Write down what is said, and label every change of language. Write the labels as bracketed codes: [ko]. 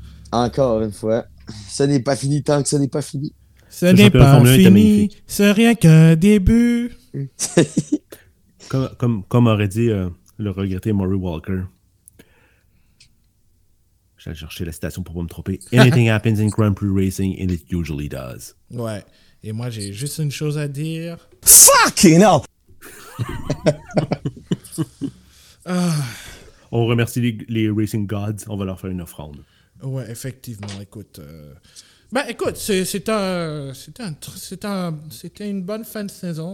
[fr] Encore une fois, ce n'est pas fini tant que ce n'est pas fini. Ce n'est pas fini, c'est rien qu'un début. comme aurait dit... le regretté Murray Walker. J'allais chercher la citation pour ne pas me tromper. [en] Anything happens in Grand Prix Racing and it usually does. [fr] Ouais. Et moi, j'ai juste une chose à dire. [en] Fucking hell! [fr] On remercie les Racing Gods. On va leur faire une offrande. Ouais, effectivement, écoute. Ben écoute, c'était une bonne fin de saison.